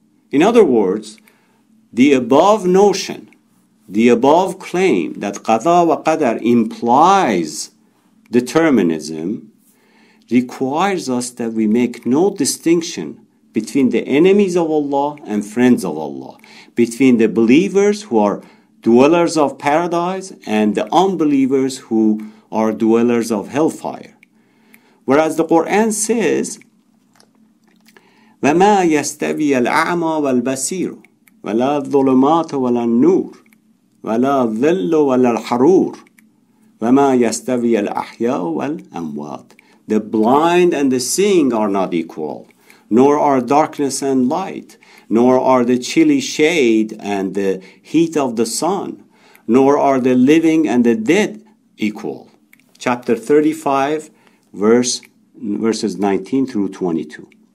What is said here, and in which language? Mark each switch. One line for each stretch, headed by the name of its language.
English: In other words, the above notion, the above claim that qada wa qadar implies determinism requires us that we make no distinction between the enemies of Allah and friends of Allah, between the believers who are dwellers of paradise and the unbelievers who are dwellers of hellfire. Whereas the Quran says,
Arabic: وَمَا يَسْتَوِيَ الْأَعْمَى وَالْبَصِيرُ وَلَا الظُّلُمَاتُ وَلَا النُّورُ وَلَا الظِّلُّ وَلَا الْحَرُورُ وَمَا يَسْتَوِيَ الْأَحْيَاءُ وَالْأَمْوَاتُ.
English: The blind and the seeing are not equal, nor are darkness and light, nor are the chilly shade and the heat of the sun, nor are the living and the dead equal. Chapter 35, verses 19 through 22.